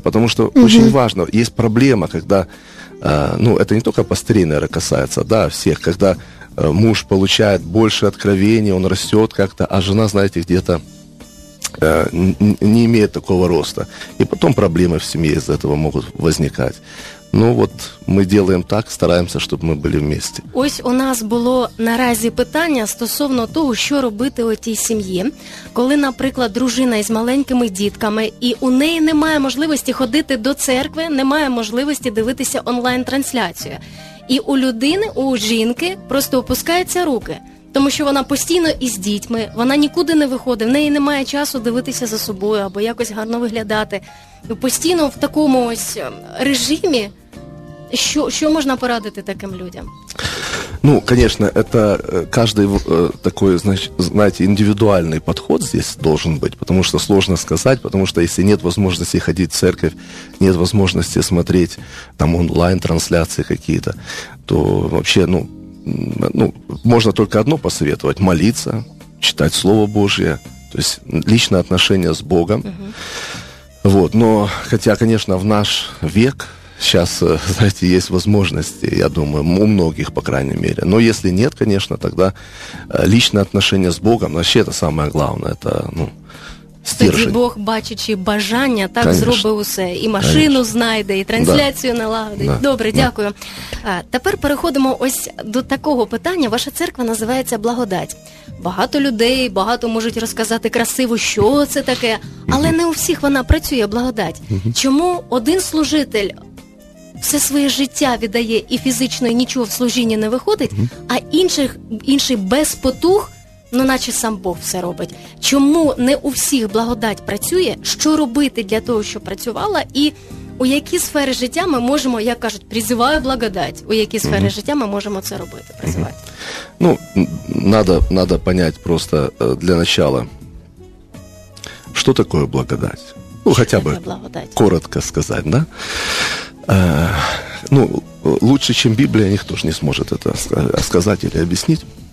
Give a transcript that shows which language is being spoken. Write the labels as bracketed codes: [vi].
[ru] Потому что очень важно, есть проблема, когда, ну, это не только пастырей, наверное, касается, да, всех, когда муж получает больше откровений, он растет как-то, а жена, знаете, где-то не имеет такого роста. И потом проблемы в семье из-за этого могут возникать. Ну, вот мы делаем так, стараемся, чтобы мы были вместе. [uk] Ось у нас було наразі питання стосовно того, що робити у тій сім'ї, коли, наприклад, дружина із маленькими дітками, і у неї немає можливості ходити до церкви, немає можливості дивитися онлайн-трансляцію. І у людини, у жінки просто опускаються руки, тому що вона постійно із дітьми, вона нікуди не виходить, в неї немає часу дивитися за собою або якось гарно виглядати. Постійно в такому ось режимі, що можна порадити таким людям? [ru] Ну, конечно, это каждый такой, знаете, индивидуальный подход здесь должен быть, потому что сложно сказать, потому что если нет возможности ходить в церковь, нет возможности смотреть там онлайн-трансляции какие-то, то вообще, ну, можно только одно посоветовать – молиться, читать Слово Божье, то есть личное отношение с Богом. Вот, но хотя, конечно, в наш век сейчас, знаете, есть возможности, я думаю, у многих, по крайней мере. Но если нет, конечно, тогда личное отношение с Богом, вообще это самое главное, это, ну, стержень. [uk] Тоді Бог, бачачи бажання, так, конечно, зробив усе. І машину, конечно, знайде, і трансляцію, [ru] да, [uk] налагодить. [ru] Да. [uk] Добре, [ru] да, [uk] дякую. Тепер переходимо ось до такого питання. Ваша церква називається «Благодать». Багато людей, багато можуть розказати красиво, що це таке, але не у всіх вона працює, благодать. Чому один служитель все своє життя віддає і фізично, і нічого в служінні не виходить, а інший без потуг, ну, наче сам Бог все робить? Чому не у всіх благодать працює? Що робити для того, щоб працювала? І у які сфери життя ми можемо, як кажуть, призиваю благодать, у які сфери життя ми можемо це робити, призивати? [ru] Ну, надо понять просто для начала, что такое благодать. Ну, хотя бы коротко сказать, да? Ну, лучше, чем Библия, никто же не сможет это сказать или объяснить.